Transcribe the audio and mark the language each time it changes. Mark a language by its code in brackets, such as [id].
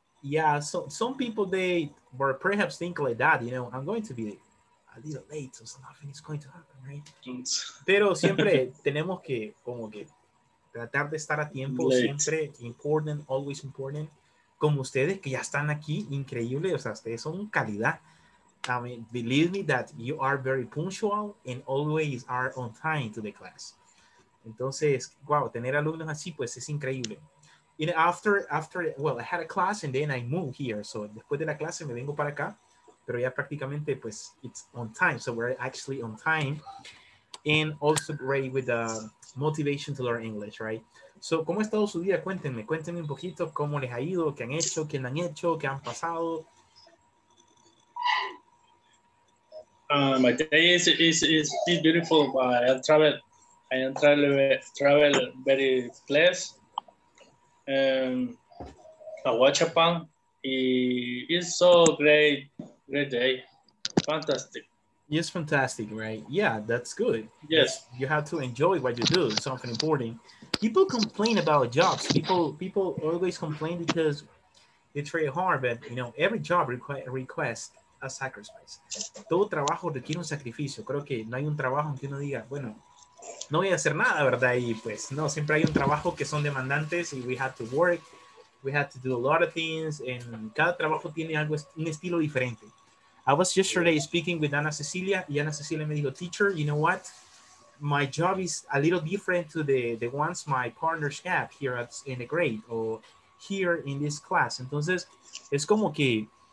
[en] Yeah, so some people they were perhaps think like that, you know, I'm going to be a little late, so something is going to happen, right? [es] Pero siempre tenemos que como que tratar de estar a tiempo late. Siempre [en] important, always important. [es] Como ustedes que ya están aquí, increíble, o sea, ustedes son calidad. [en] I mean, believe me that you are very punctual and always are on time to the class. [es] Entonces, wow, tener alumnos así, pues es increíble. [en] And after, well, I had a class and then I moved here. [es] So después de la clase me vengo para acá, pero ya prácticamente, pues, [en] it's on time. So we're actually on time and also great with the motivation to learn English, right? [es] So, ¿cómo ha estado su día? Cuéntenme un poquito cómo les ha ido, qué han hecho, qué han hecho, qué han pasado. [en] My day is beautiful. I travel very pleased. I watch a pan. It's so great day. Fantastic. It's fantastic, right? Yeah, that's good. Yes. You have to enjoy what you do. It's something important. People complain about jobs. People always complain because they try hard, but you know, every job requests a sacrifice. [es] Todo trabajo requiere un sacrificio. Creo que no hay un trabajo en que uno diga, bueno, no voy a hacer nada, ¿verdad? Y pues, no, siempre hay un trabajo que son demandantes y [en] we have to work. We have to do a lot of things. And [es] cada trabajo tiene algo, un estilo diferente. [en] I was yesterday speaking with Ana Cecilia, [es] y Ana Cecilia me dijo, [en] teacher, you know what? My job is a little different to the ones my partners have here at, in the grade or here in this class. [es] Entonces, es como que...